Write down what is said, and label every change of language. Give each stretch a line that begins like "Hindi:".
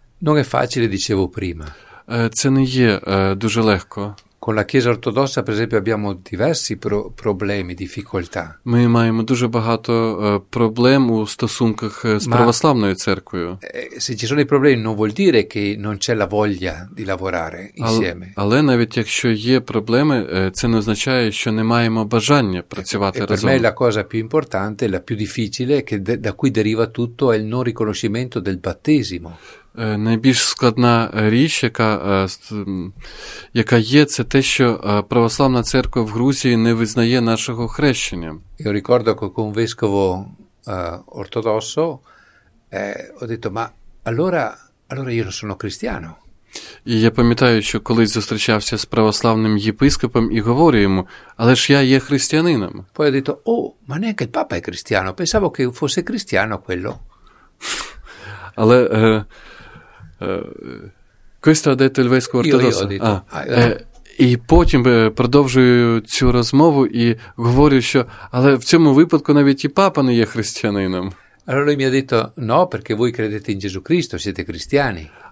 Italian: Non è facile, dicevo prima.
Ukrainian: Це не є дуже легко.
Italian: Con la Chiesa ortodossa, per esempio, abbiamo diversi problemi, difficoltà.
Ukrainian: Ми маємо дуже багато проблем у стосунках з православною церквою.
Italian: Se ci sono i problemi non vuol dire che non c'è la voglia di lavorare insieme.
Ukrainian: Але навіть якщо є проблеми, це не означає, що не маємо бажання працювати разом.
Italian: Per me la cosa più importante, la più difficile, che da cui deriva tutto, è il non riconoscimento del battesimo.
Ukrainian: Найбільш складна річ, яка є, це те, що православна церква в Грузії не визнає нашого хрещення.
Italian: Io ricordo che con un vescovo ortodosso ho detto: "Ma allora io non sono cristiano".
Ukrainian: І я пам'ятаю, що колись зустрічався з православним єпископом і говорю йому: "Але ж я є християнином".
Italian: Poi ho detto: "Oh, ma neanche il papa è cristiano, pensavo che fosse cristiano quello".
Ukrainian: Але
Italian: questo ha detto il vescovo ortodosso.
Ukrainian: І потім продовжую цю розмову і говорю, що але в цьому випадку навіть і папа не є християнином.
Italian: Allora lui mi ha detto: "No, perché voi credete in Gesù Cristo, siete cristiani".